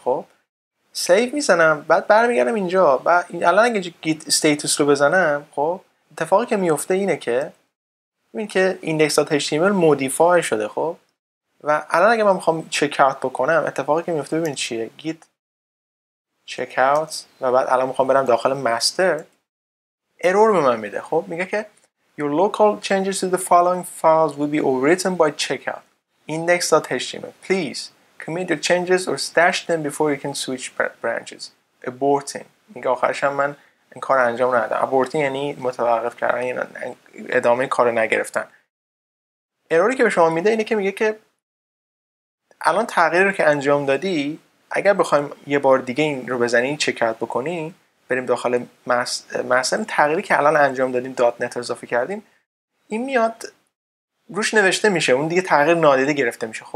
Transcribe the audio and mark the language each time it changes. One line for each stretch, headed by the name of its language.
Persian: خب سیو میزنم، بعد برمیگردم اینجا و الان اگه گیت استیتوس رو بزنم، خب اتفاقی که میفته اینه که ببین که index.html مودیفای شده. خب و الان اگه من میخوام چک اوت بکنم، اتفاقی که میفته ببین چیه، گیت چک اوت و بعد الان میخوام برم داخل ماستر، ارور به من میده. خب میگه که
English: your local changes to the following files will be overwritten by checkout index.html please commit your changes or stash them before you can switch branches aborting.
Persian: میگه آخرش هم من این کار انجام ندادم. aborting یعنی متوقف کردن، یعنی ادامه کار نگرفتن. اروری که به شما میده اینه که میگه که الان تغییری که انجام دادی، اگر بخوایم یه بار دیگه این رو بزنی چک اوت بکنی، بریم داخل مثلا تغییری که الان انجام دادیم دات نت اضافه کردیم، این میاد روش نوشته میشه، اون دیگه تغییر نادیده گرفته میشه.